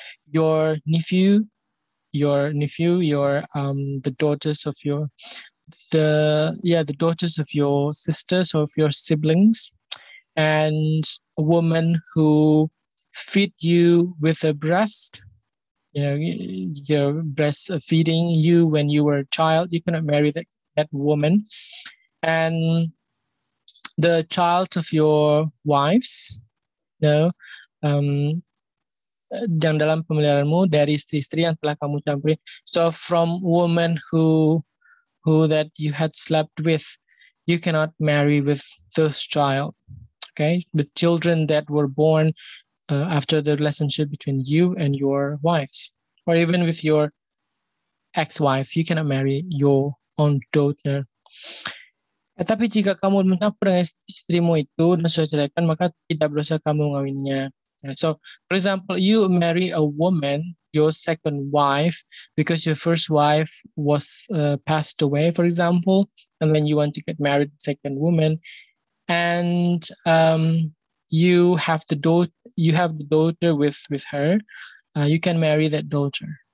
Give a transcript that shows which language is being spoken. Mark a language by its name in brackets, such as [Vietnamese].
[English] The daughters of your sisters or of your siblings, and a woman who feed you with a breast, you're breastfeeding you when you were a child, you cannot marry that woman. And the child of your wives, [Indonesian] yang dalam pemeliharaanmu dari istri-istri yang telah kamu campuri. [English] So from woman who that you had slept with, you cannot marry with those child. Okay, the children that were born after the relationship between you and your wives, or even with your ex-wife, you cannot marry your own daughter. [Indonesian] Tetapi jika kamu mencampur dengan istrimu itu dan sudah ceraikan, maka tidak berdosa kamu mengawininya. [English] So, for example, you marry a woman, your second wife, because your first wife was passed away, for example, and then you want to get married to second woman, and you have the daughter with her, you can marry that daughter.